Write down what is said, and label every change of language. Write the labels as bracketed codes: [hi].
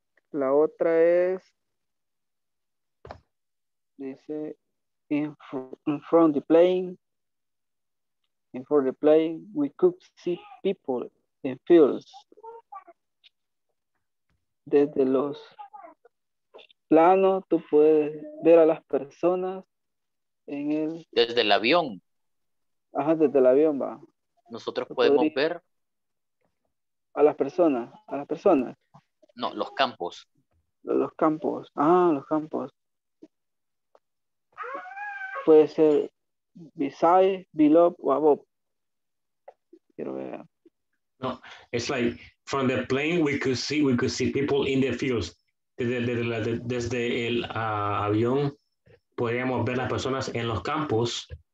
[es] La otra es, dice, [en] in front of the plane, in front of the plane, we could see people in fields. [es] Desde los planos, tú puedes ver a las personas en el... Desde el avión. Ajá, desde el avión va. Nosotros podemos ver... A las personas. No, los campos. Los campos. Ah, los campos. Puede ser beside, below, o above. Quiero ver. [en] No, it's like from the plane we could see people in the fields. [es] Desde el avión podríamos ver las personas en los campos.